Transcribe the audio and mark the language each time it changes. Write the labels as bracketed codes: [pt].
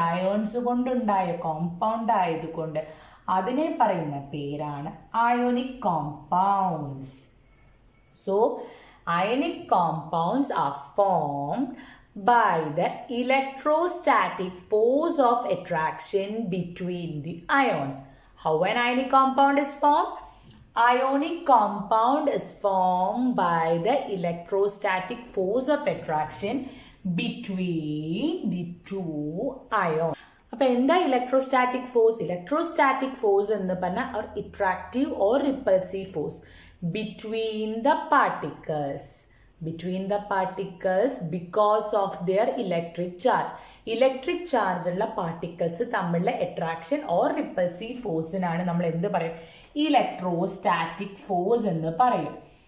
[ml] Ions കൊണ്ടുണ്ടായ compound ആയതുകൊണ്ട് അതിനെ പറയുന്ന പേരാണ് ionic compounds. [en] So ionic compounds are formed by the electrostatic force of attraction between the ions. How an ionic compound is formed? Ionic compound is formed by the electrostatic force of attraction between the two ions. [ml] അപ്പോൾ എന്താ electrostatic force? Electrostatic force എന്ന് പറഞ്ഞാൽ ഒരു [en] Attractive or repulsive force between the particles. Between the particles because of their electric charge. [ml] Electric charge ഉള്ള particles തമ്മിലുള്ള attraction or repulsive ഫോഴ്സിനാണ് നമ്മൾ എന്ത് പറയും, ഇലക്ട്രോസ്റ്റാറ്റിക് ഫോഴ്സ് എന്ന് പറയും.